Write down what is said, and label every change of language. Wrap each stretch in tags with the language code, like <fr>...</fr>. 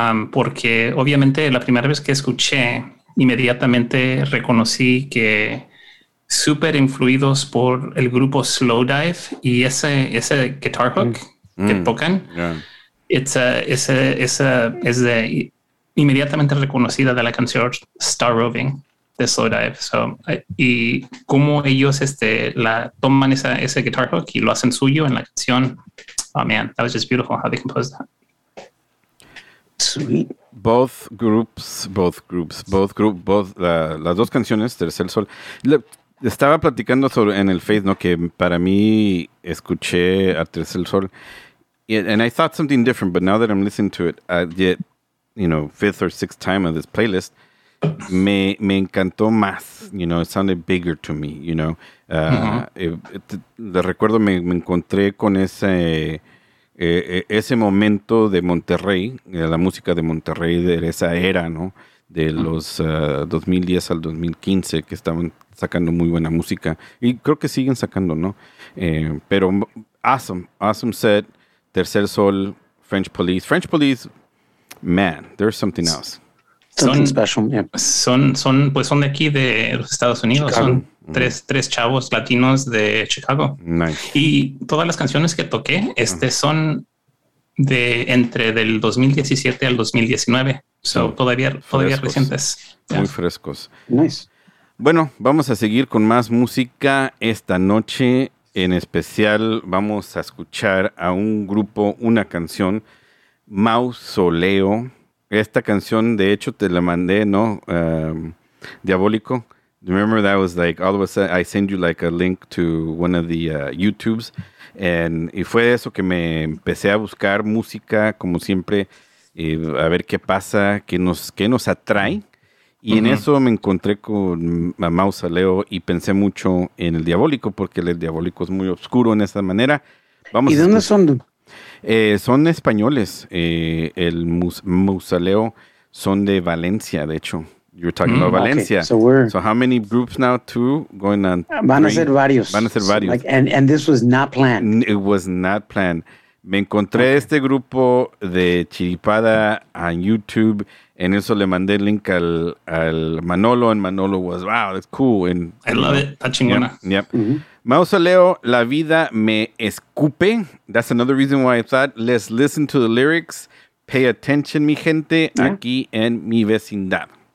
<es>Porque obviamente la primera vez que escuché, inmediatamente reconocí que súper influidos por el grupo Slowdive y ese guitar hook que tocan. Es de inmediatamente reconocida de la canción Star Roving de Slowdive. So, y cómo ellos la toman ese guitar hook y lo hacen suyo en la canción.</es> <en>Oh man, that was just beautiful how they composed that. Sweet. Both groups,</en> <es>las dos canciones, Tercer Sol. Estaba platicando sobre en el Face, ¿no? Que para mí escuché a Tercer Sol.</es> <en>And I thought something different, but now that I'm listening to it yet, you know, fifth or sixth time of this playlist,</en> <es>me encantó más,</es> <en>you know, it sounded bigger to me, you know.</en> <es>Recuerdo, me encontré con ese momento de Monterrey, la música de Monterrey de esa era, ¿no? De los 2010 al 2015, que estaban sacando muy buena música. Y creo que siguen sacando, ¿no? Pero</es> <en>awesome set. Tercer Sol, French Police, man, there's something else. Something special, yeah.</en> <es>Son de aquí, de los Estados Unidos. Chicago. Son tres chavos latinos de Chicago.</es> <en>Nice.</en> <es>Y todas las canciones que toqué son de entre del 2017 al 2019. So, todavía recientes. Yeah. Muy frescos.</es> <en>Nice.</en> <es>Bueno, vamos a seguir con más música esta noche. En especial vamos a escuchar a un grupo, una canción, Mausoleo. Esta canción, de hecho, te la mandé, ¿no? Diabólico.</es> <en>Remember that was like, all of a sudden, I send you like a link to one of the YouTubes.</en> <es>Y fue eso que me empecé a buscar música, como siempre, y a ver qué pasa, qué nos atrae. Y en eso me encontré con Mausoleo y pensé mucho en el Diabólico, porque el Diabólico es muy oscuro en esa manera. Vamos. ¿Y dónde son? Son españoles. El Mausoleo son de Valencia, de hecho.</es> <en>You're talking about Valencia. Okay. So how many groups now? Two going on?</en> <es>Van a ser varios.</es> <en>Like, and this was not planned. It was not planned.</en> <es>Me encontré este grupo de Chiripada en YouTube. En eso le mandé el link al Manolo,</es> <en>and Manolo was, wow, that's cool. I love it.</en> <es>Está chingona. Yep. Mausoleo, La Vida Me Escupe.</es> <en>That's another reason why I thought, let's listen to the lyrics. Pay attention,</en> <es>mi gente, aquí en Mi Vecindad.</es>